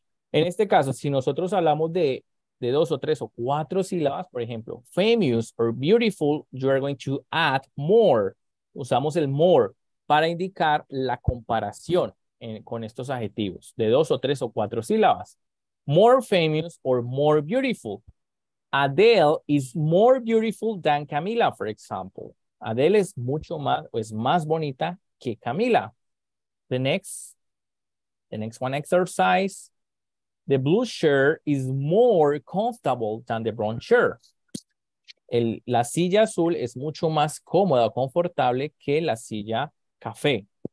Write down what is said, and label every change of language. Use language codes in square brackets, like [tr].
[es] En este caso, si nosotros hablamos de 2, 3, o 4 sílabas, por ejemplo, [en] famous or beautiful, you are going to add more. [es] Usamos el more para indicar la comparación con estos adjetivos de 2, 3, o 4 sílabas. [en] More famous or more beautiful. Adele is more beautiful than Camila, for example. [es] Adele es mucho más, o es más bonita que Camila. [en] The next one, exercise. The blue shirt is more comfortable than the brown shirt. [es] La silla azul es mucho más cómoda, confortable que la silla café.